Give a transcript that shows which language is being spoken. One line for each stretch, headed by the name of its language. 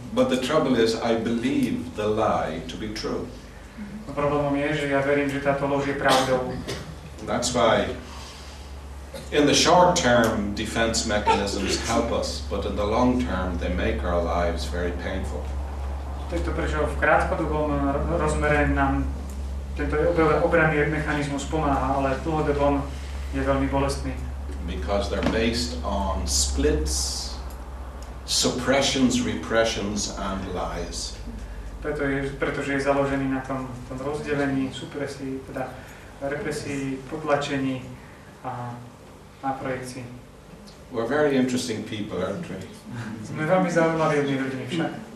English: But the trouble is, I believe the lie to be true.
Slovak: No problémom je, že ja verím, že táto lož je pravdou.
English: That's why in the short term defense mechanisms help us, but in the long term they make our lives very painful.
Slovak: Tento prečo v krátkodobom rozmere nám tento obranný mechanizmus pomáha, ale v dlhodobom je veľmi bolestný.
English: Because they're based on splits, suppressions, repressions and lies.
Slovak: Pretože je založený na tom rozdelení, supresii, teda represii, potlačení a na projekcii.
English: We're very interesting people, aren't we?
Slovak: Sme veľmi zaujímaví jedni ľudí však.